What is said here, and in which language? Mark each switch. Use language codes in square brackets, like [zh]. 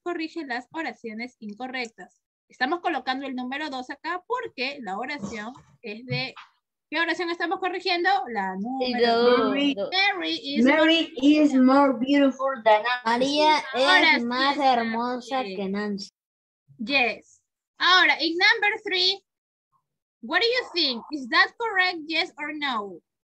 [es] Corrige las oraciones incorrectas. Estamos colocando el número 2 acá porque la oración es de... ¿Qué oración estamos corrigiendo? La número 2. [en] Mary is more beautiful than Nancy. [es] María ahora es más hermosa que Nancy. [en] Yes. [es] Ahora, [en] in number 3, what do you think? Is that correct, yes or no?